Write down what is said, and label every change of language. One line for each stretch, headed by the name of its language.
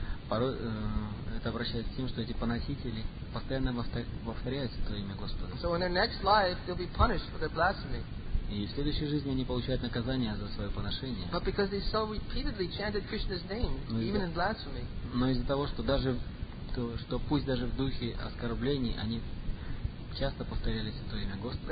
Russian: Это обращается к тем, что эти поносители постоянно повторяют это имя Господа.
English: So in their next life they'll be punished for their blasphemy.
Russian: И в следующей жизни они получают наказание за свое поношение.
English: But because they so repeatedly chanted Krishna's name, even in blasphemy.
Russian: Но из-за того, что пусть даже в духе оскорблений они часто повторяли это имя Господа.